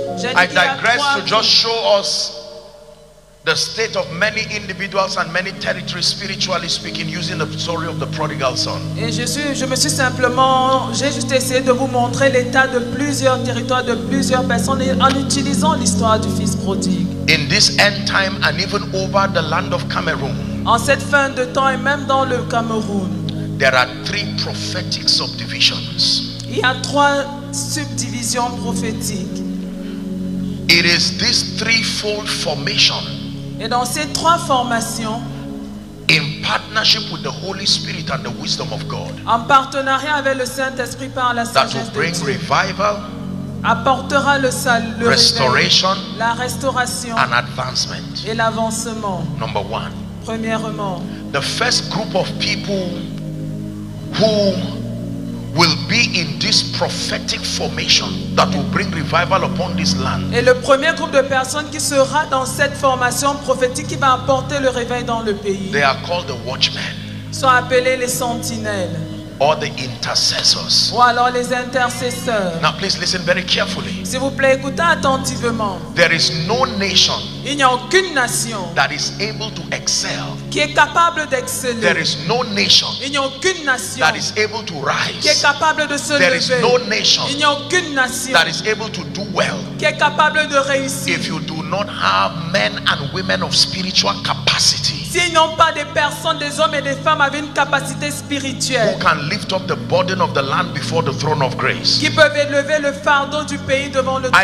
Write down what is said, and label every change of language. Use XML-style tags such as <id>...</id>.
<en>I digress to just show us the state of many individuals and many territories, spiritually speaking, using the story of the prodigal son.</en> <fr>Et je me suis simplement, j'ai juste essayé de vous montrer l'état de plusieurs territoires, de plusieurs personnes, en utilisant l'histoire du fils prodigue.</fr> <en>In this end time, and even over the land of Cameroon.</en> <fr>En cette fin de temps et même dans le Cameroun.</fr> <en>There are three prophetic subdivisions.</en> <fr>Il y a trois subdivisions prophétiques.</fr> <en>It is this threefold formation.</en> <fr>Et dans ces trois formations,</fr> <en>in partnership with the Holy Spirit and the wisdom of God,</en> <fr>en partenariat avec le Saint-Esprit par la sagesse de Dieu,</fr> <en>that will bring revival,</en> <fr>apportera le salut,</fr> <en>restoration,</en> <fr>la restauration,</fr> <en>and advancement,</en> <fr>et l'avancement.</fr> <en>Number one.</en> <fr>Premièrement,</fr> <en>the first group of people who will be in this prophetic formation that will bring revival upon this land.</en> <fr>Et le premier groupe de personnes qui sera dans cette formation prophétique qui va apporter le réveil dans le pays.</fr> <en>They are called the watchmen.</en> <fr>Sont appelés les sentinelles.</fr> <en>Or the intercessors.</en> <fr>Ou alors les intercesseurs.</fr> <en>Now please listen very carefully.</en> <fr>S'il vous plaît, écoutez attentivement.</fr> <en>There is no nation.</en> <fr>Il n'y a aucune nation.</fr> <en>That is able to excel.</en> <fr>Qui est capable d'exceller.</fr> <en>There is no nation.</en> <fr>Il n'y a aucune nation.</fr> <en>That is able to rise.</en> <fr>Qui est capable de se lever.</fr> <en>There is no nation.</en> <fr>Il n'y a aucune nation.</fr> <en>That is able to do well.</en> <fr>Qui est capable de réussir.</fr> <en>If you do not have men and women of spiritual capacity.</en> <fr>S'ils n'ont pas des personnes, des hommes et des femmes avec une capacité spirituelle.</fr> <en>Who can lift up the burden of the land before the throne of grace?</en> <fr>Qui peuvent élever le fardeau du pays devant le trône</fr>